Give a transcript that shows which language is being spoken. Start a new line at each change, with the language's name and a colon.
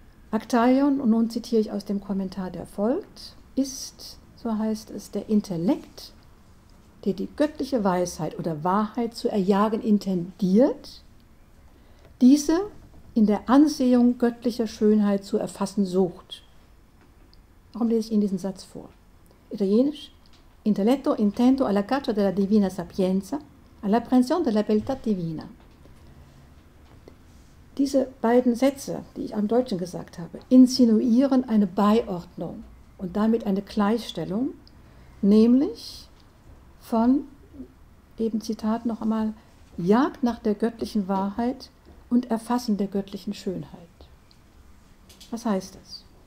German: Actaeon, und nun zitiere ich aus dem Kommentar, der folgt, ist, so heißt es, der Intellekt, der die göttliche Weisheit oder Wahrheit zu erjagen intendiert, diese in der Ansehung göttlicher Schönheit zu erfassen sucht. Warum lese ich Ihnen diesen Satz vor?
Italian: Italienisch: Intelletto intento alla caccia della divina sapienza, all'apprensione della beltà divina.
German: Diese beiden Sätze, die ich am Deutschen gesagt habe, insinuieren eine Beiordnung und damit eine Gleichstellung, nämlich von, eben Zitat noch einmal, Jagd nach der göttlichen Wahrheit und Erfassen der göttlichen Schönheit. Was heißt das?